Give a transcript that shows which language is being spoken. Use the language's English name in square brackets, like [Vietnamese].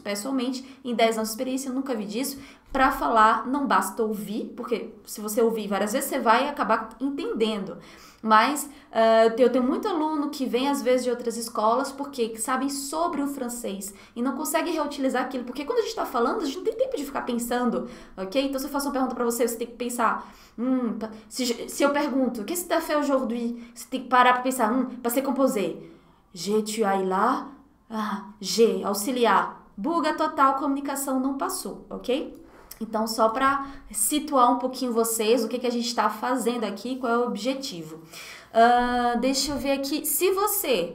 [Portuguese] Pessoalmente, em 10 anos de experiência, eu nunca vi disso. Para falar, não basta ouvir, porque se você ouvir várias vezes, você vai acabar entendendo. Mas eu tenho muito aluno que vem às vezes de outras escolas porque sabem sobre o francês e não conseguem reutilizar aquilo. Porque quando a gente está falando, a gente não tem tempo de ficar pensando, ok? Então, se eu faço uma pergunta para você, você tem que pensar. Se eu pergunto, [French] qu'est-ce que tu as fait aujourd'hui? [Portuguese] Você tem que parar para pensar, passé composé. [French] Je, tu as là? [Portuguese] Ah, G, auxiliar. Buga total, comunicação não passou, ok? Então, só para situar um pouquinho vocês, o que que a gente está fazendo aqui, qual é o objetivo. Deixa eu ver aqui. Se você.